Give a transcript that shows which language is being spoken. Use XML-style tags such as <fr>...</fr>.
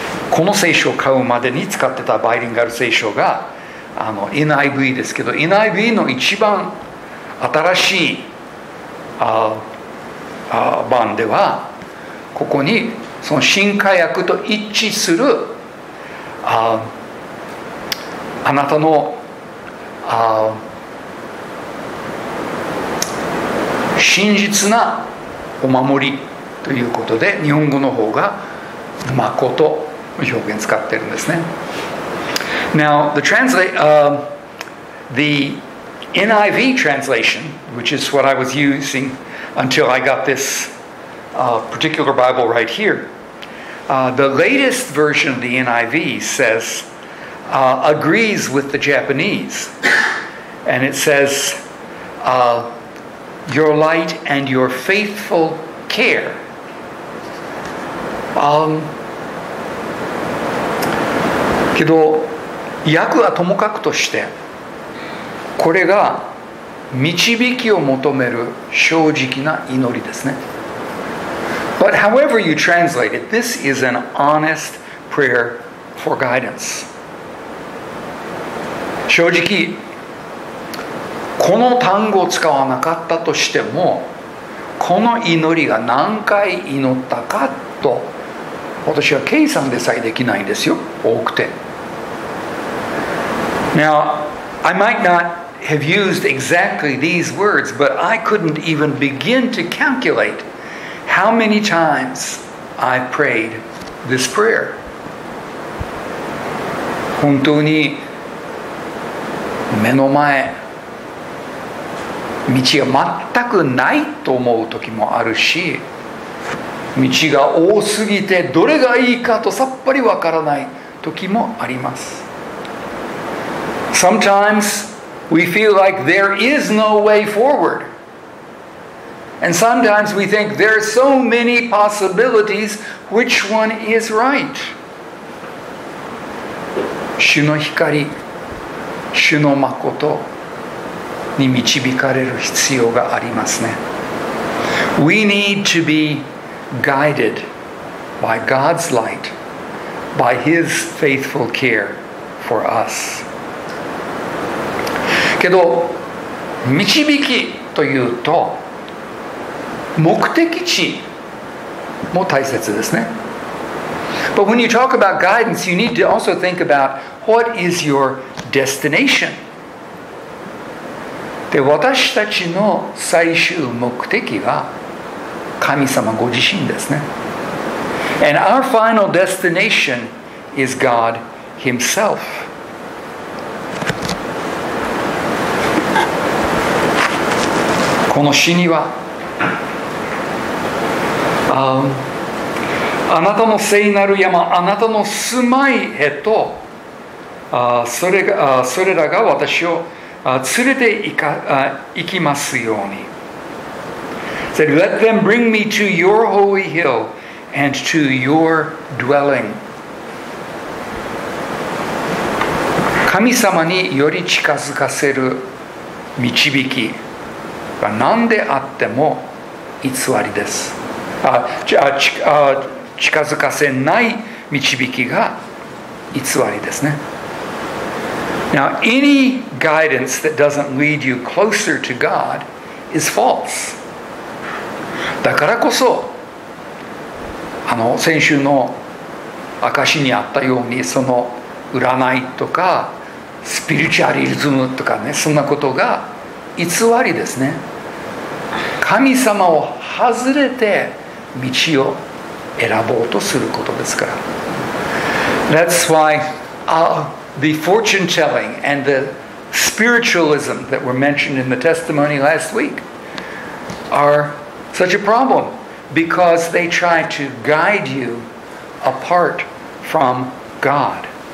<ja>この聖書を買うまでに使ってたバイリンガル聖書が NIV ですけど、 NIV の一番新しい版ではここにその新改訳と一致するあなたの真実なお守りということで日本語の方が誠と表現使ってるんですね。</ja> <en>Now, the the NIV translation, which is what I was using until I got this particular Bible right here, the latest version of the NIV says, agrees with the Japanese. And it says, your light and your faithful care.</en> <ja>けど訳はともかくとして、これが導きを求める正直な祈りですね。</ja> <en>But however you translate it, this is an honest prayer for guidance.</en> <ja>正直、この単語を使わなかったとしても、この祈りが何回祈ったかと、私は計算でさえできないんですよ、多くて。</ja> <en>Now, I might not have used exactly these words, but I couldn't even begin to calculate how many times I prayed this prayer.</en> <ja>本当に目の前道が全くないと思う時もあるし、道が多すぎてどれがいいかとさっぱりわからない時もあります。</ja> <en>Sometimes we feel like there is no way forward. And sometimes we think there are so many possibilities, which one is right?</en> <ja>主の光、主の誠に導かれる必要がありますね。</ja> <en>We need to be guided by God's light, by His faithful care for us.</en> <ja>けど導きというと目的地も大切ですね。</ja> <en>But when you talk about guidance, you need to also think about what is your destination.</en> <ja>で、私たちの最終目的は神様ご自身ですね。</ja> <en>And our final destination is God Himself.</en> <ja>この死にはあなたの聖なる山、あなたの住まいへと、それらが私を連れて行きますように。</ja> <en>Said, let them bring me to your holy hill and to your dwelling.</en> <ja>神様により近づかせる導きは何であっても偽りです。近づかせない導きが偽りですね。</ja> <en>Now, any guidance that doesn't lead you closer to God is false.</en> <ja>だからこそ、先週の証しにあったように、その占いとか、スピリチュアリズムとかね、そんなことが偽りですね。神様を外れて道を選ぼうとすることですから。</ja> <en>That's why, the fortune telling and the spiritualism that were mentioned in the testimony last week are such a problem because they try to guide you apart from God.</en>